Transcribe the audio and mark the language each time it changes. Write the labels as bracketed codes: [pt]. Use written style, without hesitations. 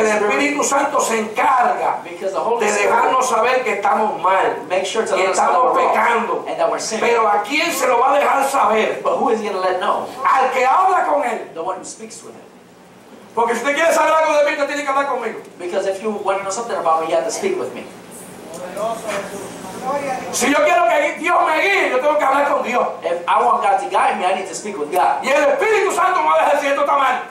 [es] Porque el Espíritu Santo se encarga de dejarnos saber que estamos mal, [en] make sure to [es] que estamos pecando. [en] And that we're [es] Pero ¿a quién se lo va a dejar saber? [en] But who is he gonna let know? [es] Al que habla con él. [en] The one who speaks with him. [es] Porque si usted quiere saber algo de mí, usted tiene que hablar conmigo. [en] Because if you want to know something about me, you have to speak with me. [es] Si yo quiero que Dios me guíe, yo tengo que hablar con Dios. [en] If I want God to guide me, I need to speak with God. [es] Y el Espíritu Santo me va a decir, esto está mal.